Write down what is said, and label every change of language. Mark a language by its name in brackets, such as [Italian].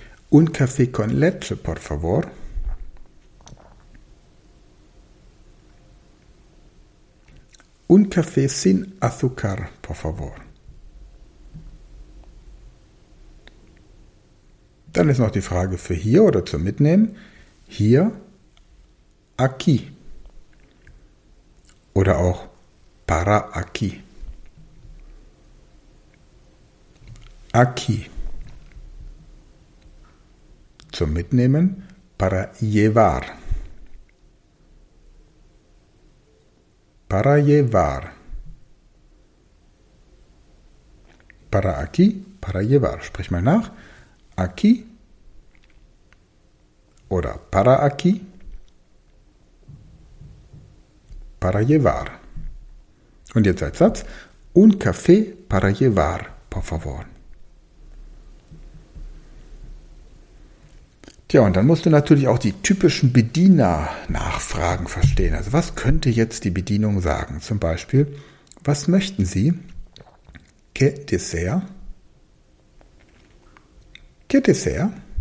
[Spanish] Un café con leche, por favor. Un café sin azúcar, por favor. [German] Dann ist noch die Frage für hier oder zum Mitnehmen. Hier, [Spanish] aquí. [German] Oder auch [Spanish] para aquí. Aquí. [German] Zum Mitnehmen, [Spanish] para llevar. Para llevar. Para aquí, para llevar. [German] Sprich mal nach. [Spanish] Aquí [German] oder [Spanish] para aquí. Para llevar. [German] Und jetzt als Satz. [Spanish] Un café para llevar, por favor. [German] Tja, und dann musst du natürlich auch die typischen Bediener-Nachfragen verstehen. Also was könnte jetzt die Bedienung sagen? Zum Beispiel, was möchten Sie? [Spanish] Que desea? Que desea?